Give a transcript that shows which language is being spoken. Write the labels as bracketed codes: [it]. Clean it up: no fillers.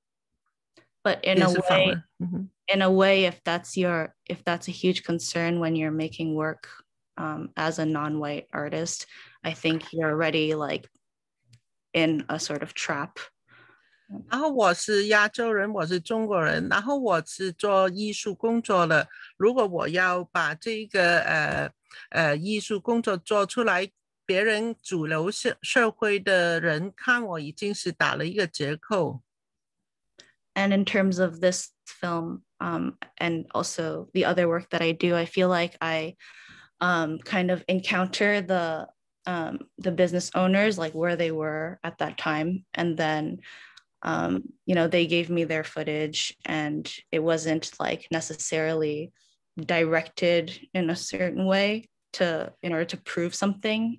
[en] But in a way, if that's a huge concern when you're making work as a non-white artist, I think you're already like in a sort of trap. [zh] 然后我是亚洲人，我是中国人，然后我是做艺术工作的。如果我要把这个艺术工作做出来，别人主流社会的人看我，已经是打了一个折扣。 [en] And in terms of this film, and also the other work that I do, I feel like I kind of encounter the business owners, like where they were at that time. And then, you know, they gave me their footage and it wasn't like necessarily directed in a certain way in order to prove something.